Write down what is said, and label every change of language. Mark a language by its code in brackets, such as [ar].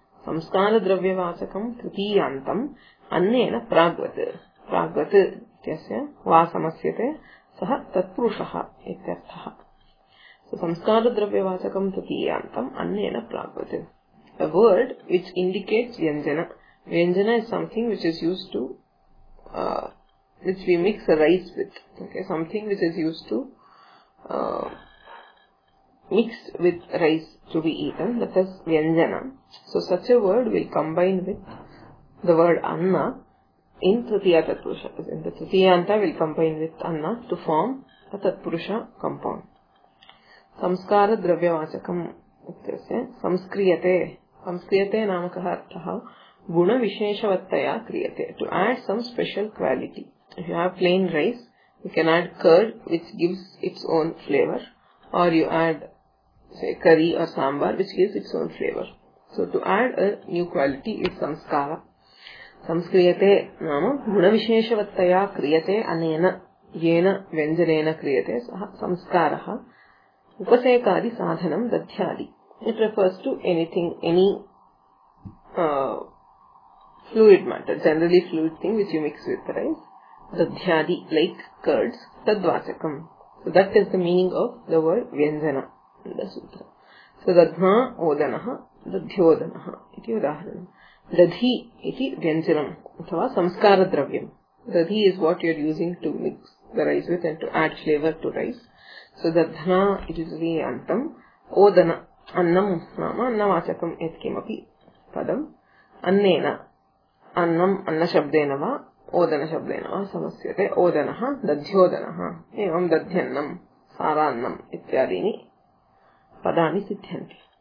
[sa] संस्कारद्रव्यवाचकम् तृतीयान्तम् अन्येन प्राग्वत्. प्राग्वत् इत्यस्य वा समस्यते सः तत्पुरुषः इत्यर्थः. संस्कारद्रव्यवाचकम् तृतीयान्तम् अन्येन प्राग्वत्. [en] A word which indicates vyanjana. Vyanjana is something which is used to, which we mix rice with. Okay, something which is used to, mixed with rice to be eaten. That is vyanjana. So such a word will combine with the word anna in tritiya tatpurusha. In the tritiyanta will combine with anna to form a tatpurusha compound. [sa] Samskara dravyavachakam uktasya samskriyate. संस्क्रियते नामकः अर्थः गुणविशेषवत्तया क्रियते. [en] To add some special quality. If you have plain rice you can add curd which gives its own flavour or you add curry or sambar which gives its own flavour. So to add a new quality is संस्कार. [sa] संस्क्रियते नाम गुणविशेषवत्तया क्रियते अनेन येन व्यञ्जनेन क्रियते सः संस्कारः. उपसेकादि साधनं दध्यादि. [en] It refers to anything, any fluid matter, generally fluid thing which you mix with the rice. Dadhyadi, like curds, tadvachakam. So that is the meaning of the word vyanjana in the sutra. [sa] So dadhma odanaha, dadhyodanaha, iti udaharanam. Dadhi iti vyanjanam, uthava samskara dravyam. [en] Dadhi is what you are using to mix the rice with and to add flavor to rice. So dadhna, it is vyantam, odana. [sa] अन्नम् नाम अन्नवाचकम् यत्किमपि पदम् अन्नेन अन्नम् अन्नशब्देन वा ओदनशब्देन वा समस्यते. ओदनः दध्योदनः एवं दध्यन्नम् सारान्नम् इत्यादीनि पदानि सिद्ध्यन्ति.